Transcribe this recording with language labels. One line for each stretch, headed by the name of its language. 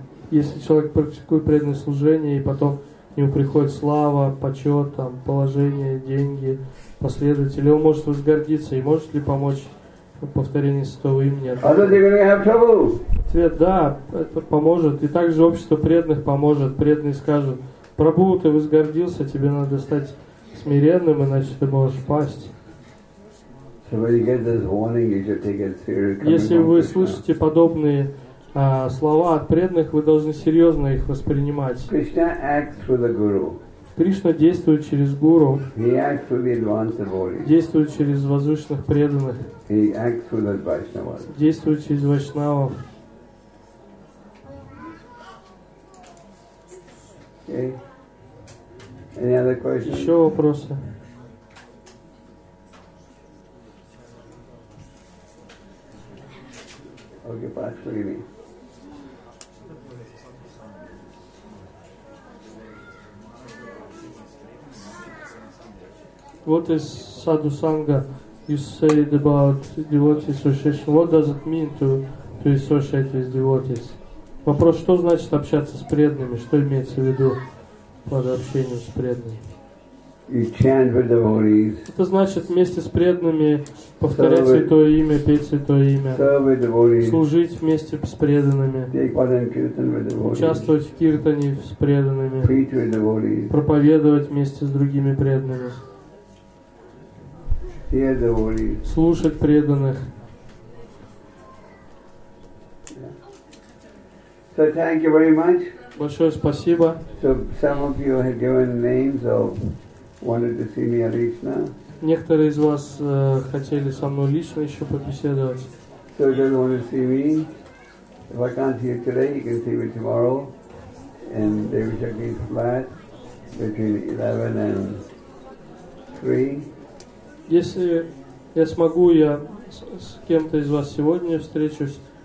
Russian: Если человек практикует преданное служение, и потом к нему приходит слава, почет, там, положение, деньги, последователи, он может возгордиться, и может ли помочь повторение Святого Имени? Ответ – да, это поможет. И также общество преданных поможет. Преданные скажут, Прабу, ты возгордился, тебе надо стать смиренным, иначе ты можешь пасть.
English: So when you get this warning, you should take it seriously.
Russian: Если вы слышите подобные слова от преданных, вы должны серьезно их воспринимать.
English: Krishna acts through the guru.
Russian: Кришна действует через гуру.
English: He acts through the advanced devotees.
Russian: Действует через возвышенных преданных.
English: He acts through the Vaishnavas.
Russian: Действует через вайшнавов.
English: Okay. Any other questions?
Russian: Еще вопросы?
English: Okay, Pastor, give me. What is Sadhu Sangha? You said about devotee association. What does it mean to associate with devotees?
Russian: Вопрос, что значит общаться с преданными? Что имеется в виду под общением с преданными?
English: You chant with devotees.
Russian: Это значит вместе с преданными повторять святое имя, петь святое имя, служить вместе с преданными, участвовать в киртане с преданными, проповедовать вместе с другими преданными, слушать преданных.
English: So thank you very much.
Russian: Большое спасибо.
English: So some of you have given names of wanted to see me Arishna.
Russian: Некоторые из вас хотели со мной лично еще побеседовать.
English: So if you want to see me, if I can't see you today, you can see me tomorrow in Devi Shakti's flat between 11 and 3.
Russian: Если я смогу, я с кем-то из вас сегодня встречусь.